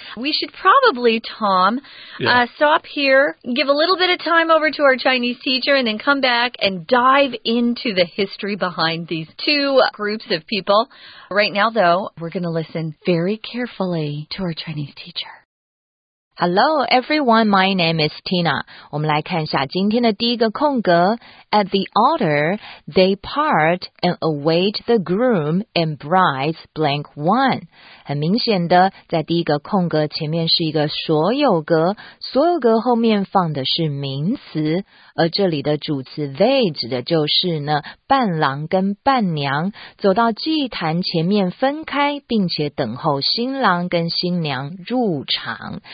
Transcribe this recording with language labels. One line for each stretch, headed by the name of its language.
English: We should probably, Tom, stop here, give a little bit of time over to our Chinese teacher, and then come back and dive into the history behind these two groups of people. Right now, though, we're going to listen very carefully to our Chinese teacher. Hello, everyone. My name is Tina.
Chinese: 我们来看一下今天的第一个空格。
English: At the altar, they part and await the groom and bride's blank one.
Chinese: 很明显的，在第一个空格前面是一个所有格，所有格后面放的是名词，而这里的主词 they 指的就是呢伴郎跟伴娘走到祭坛前面分开，并且等候新郎跟新娘入场。